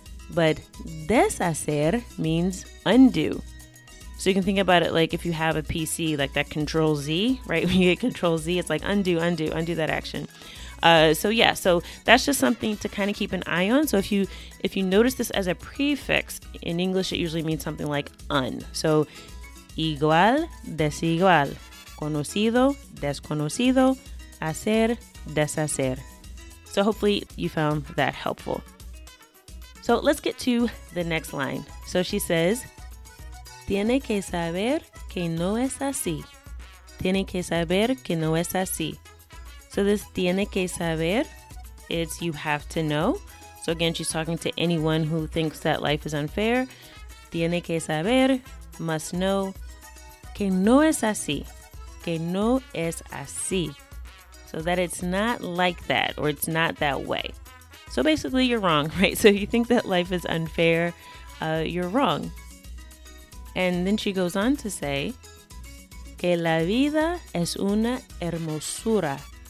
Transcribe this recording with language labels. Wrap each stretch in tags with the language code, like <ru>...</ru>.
<en>But deshacer means undo. So you can think about it like if you have a PC, like that control Z, right? When you hit control Z, it's like undo, undo, undo that action. So that's just something to kind of keep an eye on. So if you notice this as a prefix, in English it usually means something like un.</en> <es>So igual, desigual, conocido, desconocido, hacer, deshacer.</es> <en>So hopefully you found that helpful. So let's get to the next line. So she says,</en> <es>tiene que saber que no es así. tiene que saber que no es así.</es> <en>So this</en> <es>tiene que saber</es> <en>is you have to know. So again, she's talking to anyone who thinks that life is unfair.</en> <es>Tiene que saber,</es> <en>must know,</en> <es>que no es así. Que no es así.</es> <en>So that it's not like that or it's not that way. So basically, you're wrong, right? So if you think that life is unfair, you're wrong. And then she goes on to say,</en> <es>que la vida es una hermosura.</es>